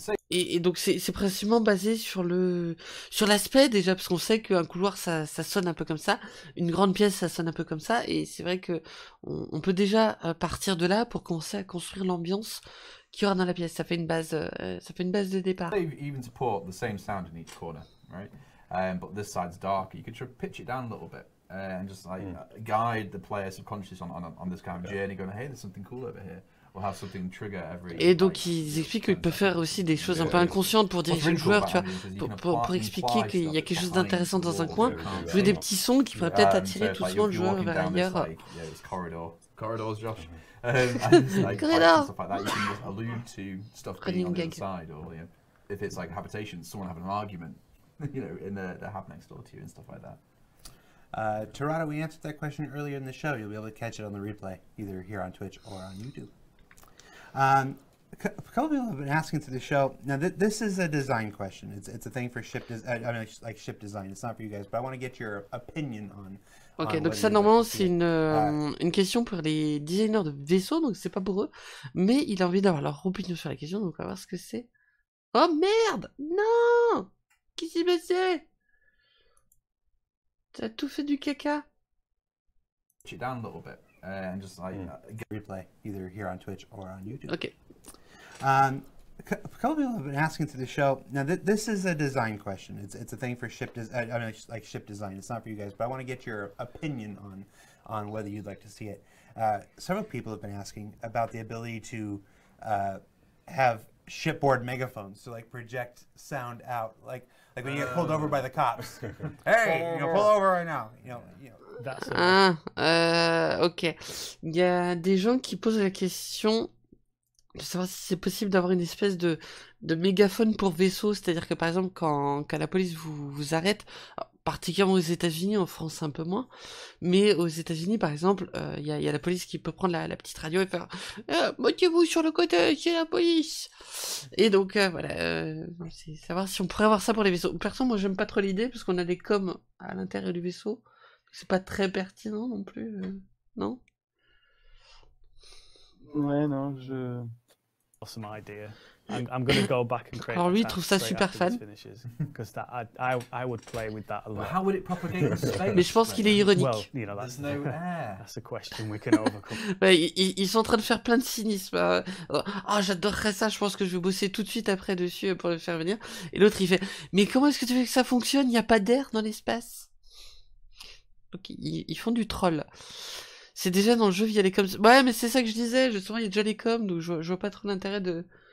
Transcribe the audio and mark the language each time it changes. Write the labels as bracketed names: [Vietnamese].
[French] Et donc, c'est principalement basé sur l'aspect, déjà, parce qu'on sait qu'un couloir, ça sonne un peu comme ça. Une grande pièce, ça sonne un peu comme ça. Et c'est vrai qu'on peut déjà partir de là pour commencer à construire l'ambiance qu'il y aura dans la pièce. Ça fait une base de départ. [English] Even to put the same sound in each corner, right? But this side's darker. You could pitch it down a little bit and just like guide the player subconsciously on this kind of journey, going, hey, there's something cool over here. We'll have something trigger every, [French] et donc like, ils expliquent qu'ils peuvent faire aussi des choses un peu inconscientes pour diriger le joueur, tu vois, pour expliquer qu'il y a quelque chose d'intéressant dans un coin, jouer des petits sons qui pourraient peut-être attirer tout souvent le joueur vers ailleurs. [English] Corridors, Josh. Corridors. You can just allude to stuff being on the other side, or if it's like habitation, someone having an argument, you know, in the hub next door to you and stuff like that. Toronto, we answered that question earlier in the show. You'll be able to catch it on the replay, either here on Twitch or on YouTube. A couple of people have been asking to the show. Now, this is a design question. It's a thing for ship design. I mean, like ship design. It's not for you guys, but I want to get your opinion on. [French] Okay, donc ça normalement c'est une question pour les designers de vaisseaux, donc c'est pas pour eux, mais il a envie d'avoir leur opinion sur la question, donc on va voir ce que c'est. Oh merde! Non! Qu'est-ce qui s'est passé? T'as tout fait du caca. [English] Push it down a little bit. And just like get replay either here on Twitch or on YouTube. Okay. A couple of people have been asking to the show. Now, this is a design question. It's a thing for ship design. I mean, like ship design. It's not for you guys, but I want to get your opinion on whether you'd like to see it. Several people have been asking about the ability to have shipboard megaphones to like project sound out, like when you get pulled over by the cops. Hey, pull over right now. You know. [French] Ah, ok. Il y a des gens qui posent la question de savoir si c'est possible d'avoir une espèce de mégaphone pour vaisseau, c'est-à-dire que par exemple quand la police vous arrête, particulièrement aux États-Unis, en France un peu moins, mais aux États-Unis par exemple, il y a la police qui peut prendre la petite radio et faire « Mettez-vous sur le côté, c'est la police !» Et donc c'est savoir si on pourrait avoir ça pour les vaisseaux. Perso, moi j'aime pas trop l'idée parce qu'on a des coms à l'intérieur du vaisseau. C'est pas très pertinent non plus, non? Ouais, non, je... [English] Awesome idea. I'm going to go back and create. [French] Henri trouve ça super fun. [English] Because that, I would play with that a lot. But how would it propagate in space? [French] Mais je pense qu'il est ironique. [English] Well, you know, there's no air. That's a question we can overcome. [French] Mais ils sont en train de faire plein de cynisme. Ah, oh, j'adorerais ça. Je pense que je vais bosser tout de suite après dessus pour le faire venir. Et l'autre, il fait. Mais comment est-ce que tu veux que ça fonctionne? Il n'y a pas d'air dans l'espace. Donc ils font du troll. C'est déjà dans le jeu via les coms. Ouais, mais c'est ça que je disais. Justement, il y a déjà les coms, donc je vois pas trop l'intérêt de.